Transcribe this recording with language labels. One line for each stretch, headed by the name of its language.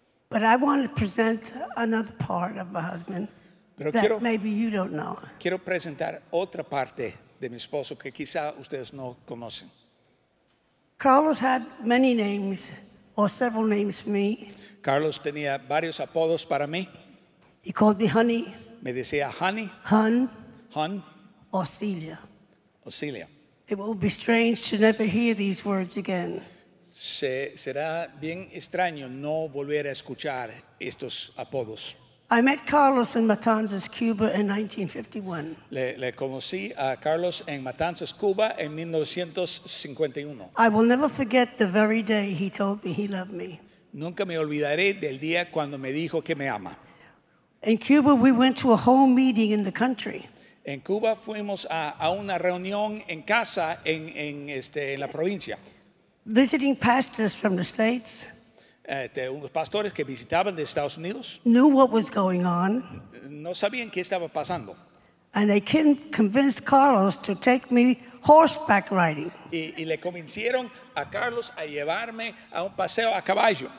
English: But I want to present another part of my husband maybe you don't know.
Spanish: Quiero presentar otra parte de mi esposo que quizá ustedes no conocen.
English: Carlos had many names or several names for me.
Spanish: Carlos tenía varios apodos para mí.
English: He called me honey.
Spanish: Me decía honey.
English: Hun.
Spanish: Ocelia.
English: It will be strange to never hear these words again.
Spanish: Será bien extraño no volver a escuchar estos apodos.
English: I met Carlos in Matanzas, Cuba in 1951.
Spanish: Le conocí a Carlos en Matanzas, Cuba en 1951.
English: I will never forget the very day he told me he loved me.
Spanish: Nunca me olvidaré del día cuando me dijo que me ama.
English: In Cuba, we went to a home meeting in the country.
Spanish: En Cuba fuimos a una reunión en casa en la provincia.
English: Visiting pastors from the States.
Spanish: Unos pastores que visitaban de Estados Unidos.
English: Knew what was going on.
Spanish: No sabían qué estaba pasando.
English: And they convinced Carlos to take me horseback riding.
Spanish: Y le convencieron a Carlos a llevarme a un paseo a caballo.